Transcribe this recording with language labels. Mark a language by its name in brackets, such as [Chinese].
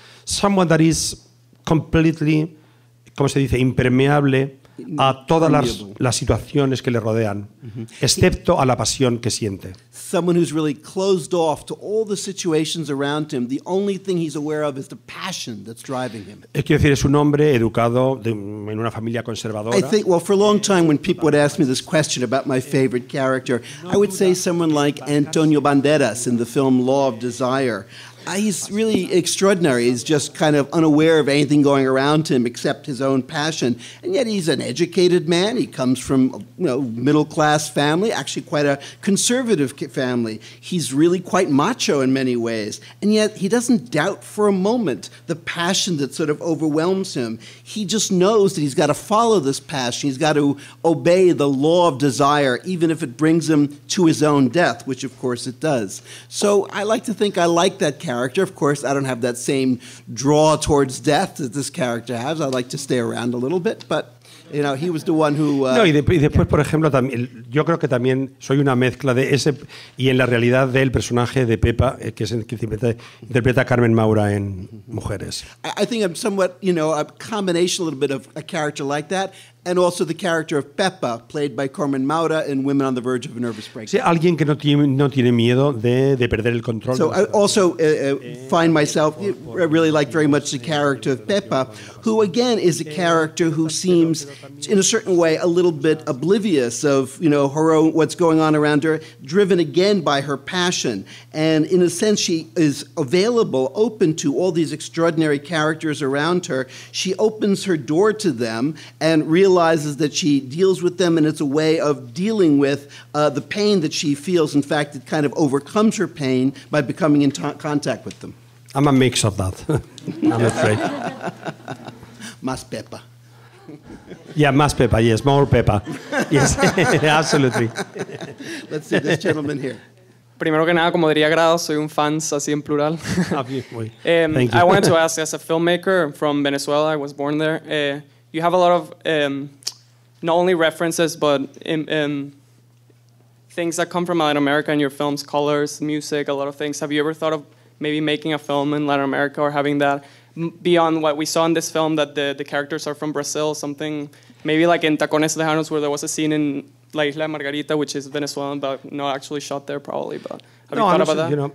[English] Someone that is completely, [Spanish] como se dice, impermeable a todas las situaciones que le rodean, mm-hmm. excepto a la pasión que siente. [English] Someone who's really closed off to all the situations around him. The only thing he's aware of is the passion that's driving him. [Spanish] Quiero decir, es un hombre educado en una familia conservadora. [English] I think, well, for a long time when people would ask me this question about my favorite character, I would say someone like Antonio Banderas in the film Law of Desire. He's really extraordinary. He's just kind of unaware of anything going around him except his own passion. And yet he's an educated man. He comes from a middle-class family, actually quite a conservative family. He's really quite macho in many ways. And yet he doesn't doubt for a moment the passion that sort of overwhelms him. He just knows that he's got to follow this passion. He's got to obey the law of desire, even if it brings him to his own death, which of course it does. So I like to think I like that character. Of course, I don't have that same draw towards death that this character has. I like to stay around a little bit, but he was the one who. [Spanish] Y después, por ejemplo, también, yo creo que también soy una mezcla de ese y en la realidad del personaje de Pepa, que es el que interpreta Carmen Maura en Mujeres. [English] I think I'm somewhat, a combination, a little bit of a character like that, and also the character of Pepa, played by Carmen Maura in Women on the Verge of a Nervous Breakdown. [Spanish] Sí, alguien que no tiene miedo de perder el control. [English] So I also find myself, I really like very much the character of Pepa, who again is a character who seems, in a certain way, a little bit oblivious of, her own, what's going on around her, driven again by her passion. And in a sense, she is available, open to all these extraordinary characters around her. She opens her door to them and realizes that she deals with them, and it's a way of dealing with the pain that she feels. In fact, it kind of overcomes her pain by becoming in contact with them. I'm a mix of that, I'm afraid. [Spanish] Más Pepa. [English] Yeah, [Spanish] más Pepa, [English] yes, more Pepa. Yes, absolutely. Let's see this gentleman here. [Spanish] Primero que nada, como diría Grado, soy un fans así en plural. [English] Thank you. I wanted to ask, as a filmmaker from Venezuela, I was born there, you have a lot of not only references, but things that come from Latin America in your films, colors, music, a lot of things. Have you ever thought of maybe making a film in Latin America or having that beyond what we saw in this film, that the characters are from Brazil, something maybe like in Tacones Lejanos, where there was a scene in La Isla Margarita, which is Venezuelan, but not actually shot there probably, but have you thought about that?